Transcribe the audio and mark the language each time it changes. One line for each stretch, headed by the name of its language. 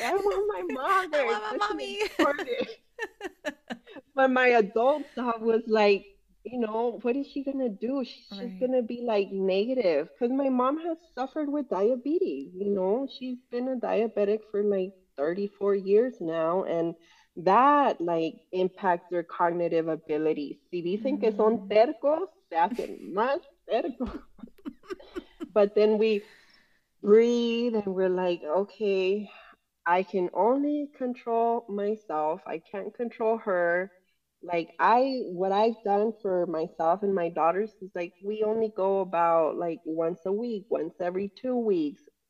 English: I want my mom there. It's such an important. But my adult self was like, you know, what is she gonna do? She's just gonna be like negative. Because my mom has suffered with diabetes, you know, she's been a diabetic for like 34 years now. And that like impacts your cognitive abilities.
Spanish: Si dicen que son tercos, se hacen más tercos.
English: But then we breathe and we're like, okay, I can only control myself. I can't control her. Like what I've done for myself and my daughters is like we only go about like once a week, once every 2 weeks.